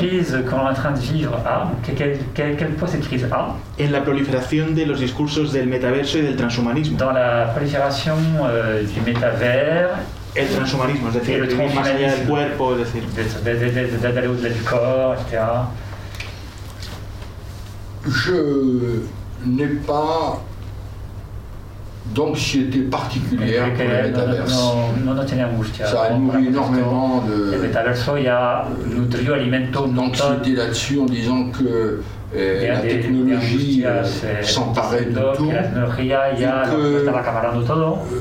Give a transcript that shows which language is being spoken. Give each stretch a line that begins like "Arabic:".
Spanish: ¿Qué crisis que estamos
French: en train de
Spanish: vivir? ¿Qué fue esa crisis? En la proliferación de los discursos del metaverso y del transhumanismo. En la proliferación del metaverso. El transhumanismo, es decir, vivir más allá del cuerpo, es decir.
French: De la del corps, etc. Je n'ai pas d'anxiété particulière pour le métaverse. Ça a nourri énormément de. Le métaverse a nourri, alimenté. D'anxiété là-dessus en disant que la technologie s'emparait de tout.
Spanish: La tecnología ya estaba acaparando todo.